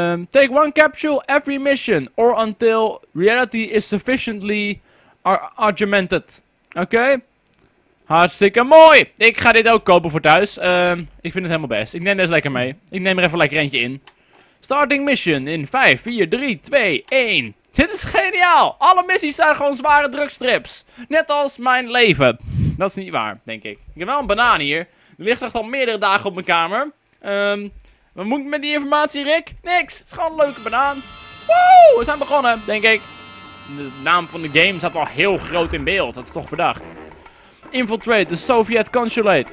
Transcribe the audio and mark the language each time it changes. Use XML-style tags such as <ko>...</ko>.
<en>Take one capsule every mission, or until reality is sufficiently augmented.</en> <nl>Oké. Hartstikke mooi. Ik ga dit ook kopen voor thuis. Ik vind het helemaal best. Ik neem deze lekker mee. Ik neem er even lekker eentje in.</nl> <en>Starting mission in 5, 4, 3, 2, 1.</en> <nl>Dit is geniaal. Alle missies zijn gewoon zware drugstrips. Net als mijn leven. Dat is niet waar, denk ik. Ik heb wel een banaan hier. Er ligt echt al meerdere dagen op mijn kamer. Wat moet ik met die informatie, Rick? Niks. Het is gewoon een leuke banaan. Woe, we zijn begonnen, denk ik. De naam van de game staat al heel groot in beeld. Dat is toch verdacht.</nl> <en>Infiltrate the Soviet Consulate.</en>